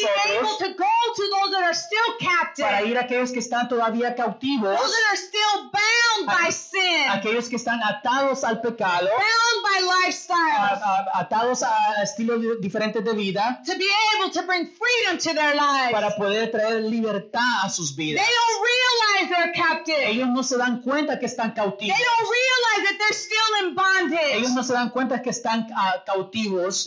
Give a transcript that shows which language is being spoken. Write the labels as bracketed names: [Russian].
[English] To be able to go to those that are still captive. [Spanish] Para ir a aquellos que están todavía cautivos. [English] Those that are still bound by sin. [Spanish] Aquellos que están atados al pecado. [English] Bound by lifestyles. [Spanish] Atados a estilo de diferentes de vida [English] to be able to bring freedom to their lives. [Spanish] Para poder traer libertad a sus vidas. [English] They don't realize they're captive. [Spanish] Ellos no se dan cuenta que están cautivos. [English] They don't realize that they're still in bondage. [Spanish] Ellos no se dan cuenta que están cautivos.